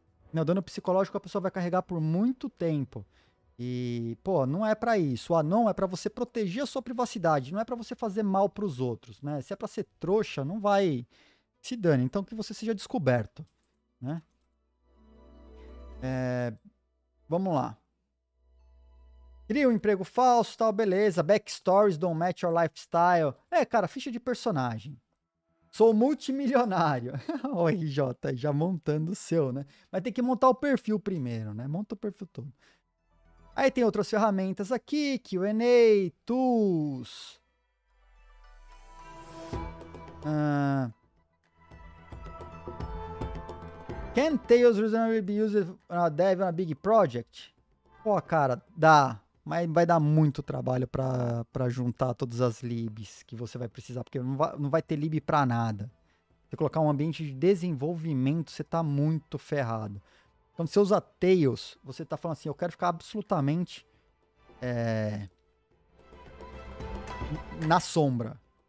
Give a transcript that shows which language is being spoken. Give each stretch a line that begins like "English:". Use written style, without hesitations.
Portuguese: O dano psicológico a pessoa vai carregar por muito tempo. E, pô, não é pra isso. O anon é pra você proteger a sua privacidade. Não é pra você fazer mal pros outros, né? Se é pra ser trouxa, não vai se dane. Então, que você seja descoberto, né? Vamos lá. Cria um emprego falso, tal, beleza.
English: Backstories don't match your lifestyle.
Portuguese: É, cara, ficha de personagem. Sou multimilionário. O RJ já montando o seu, né? Mas tem que montar o perfil primeiro, né? Monta o perfil todo. Aí tem outras ferramentas aqui, Q&A, Tools.
English: Can Tails reasonably be used on a dev on a big project?
Portuguese: Pô, cara, dá. Mas vai dar muito trabalho pra juntar todas as libs que você vai precisar, porque não vai ter lib pra nada. Você colocar um ambiente de desenvolvimento, você tá muito ferrado. Quando você usa Tails, você tá falando assim, eu quero ficar absolutamente na sombra.